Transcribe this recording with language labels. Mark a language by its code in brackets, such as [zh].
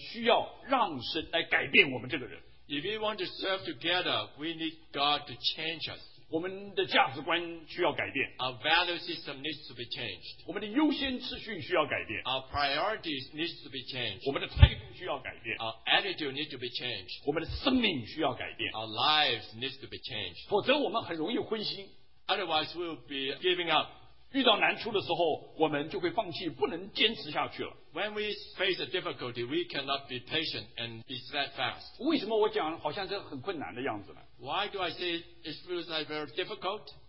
[zh] 我们要彼此同心，我们需要让神来改变我们这个人。 [en] If we want to serve together, we need God to change us. [zh] 我们的价值观需要改变。 [en] Our value system needs to be changed. [zh] 我们的优先次序需要改变。 [en] Our priorities need to be changed. [zh] 我们的态度需要改变。 [en] Our attitude needs to be changed. [zh] 我们的生命需要改变。 [en] Our lives need to be changed. [zh] 否则我们很容易灰心。 [en] Otherwise, we'll be giving up. [zh] 遇到难处的时候，我们就会放弃，不能坚持下去了。 [en] When we face a difficulty, we cannot be patient and be steadfast. [zh] 为什么我讲好像这很困难的样子呢？ [en] Why do I say it feels like very difficult?